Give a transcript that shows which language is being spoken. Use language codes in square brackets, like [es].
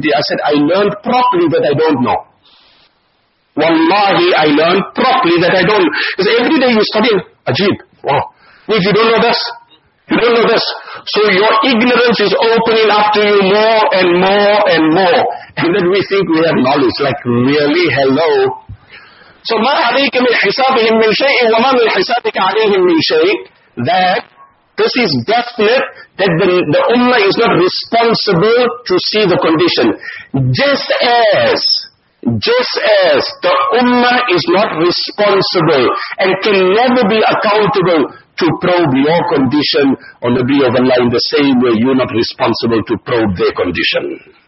[en] I said, I learned properly that I don't know. Wallahi, I learned properly that I don't. Because every day you study, Ajib, wow. If you don't know this, you don't know this. So your ignorance is opening up to you more and more and more. And then we think we have knowledge, like really, hello. [ar] So ما عليك من حسابهم من شيء وما من حسابك عليهم من شيء. [en] That this is definite that the ummah is not responsible to see the condition. Just as the ummah is not responsible and can never be accountable to probe your condition on the Nabi of Allah in the same way you're not responsible to probe their condition.